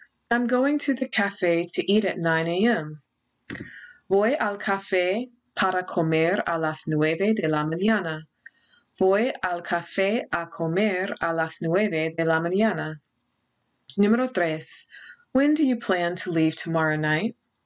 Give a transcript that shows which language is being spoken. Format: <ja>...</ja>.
<en>I'm going to the cafe to eat at 9 a.m.</en> <es>Voy al café para comer a las 9 de la mañana. Voy al café a comer a las 9 de la mañana. Número 3.</es> <en>When do you plan to leave tomorrow night?</en>